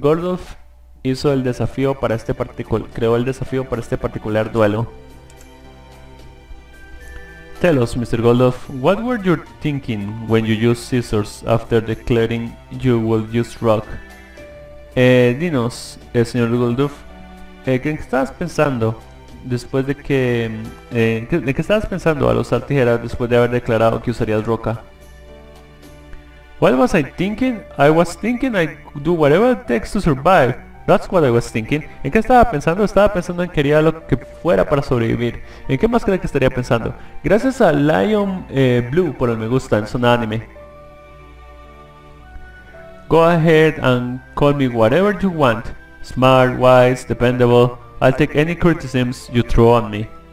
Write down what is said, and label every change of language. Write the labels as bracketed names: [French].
[Spanish] Gordolf hizo el desafío para este particular, creó el desafío para este particular duelo. [English] Tell us, Mr. Gordolf, what were you thinking when you used scissors after declaring you would use rock? [Spanish] Dinos, señor Gordolf, ¿en qué estabas pensando después de que, de qué estabas pensando al usar tijeras después de haber declarado que usarías roca? [English] What was I thinking? I was thinking I do whatever it takes to survive. That's what I was thinking. [Spanish] ¿En qué estaba pensando? Estaba pensando en que haría lo que fuera para sobrevivir. ¿En qué más crees que estaría pensando? Gracias a Lion Blue por el me gusta en Zona Anime. [English] Go ahead and call me whatever you want. Smart, wise, dependable. I'll take any criticisms you throw at me.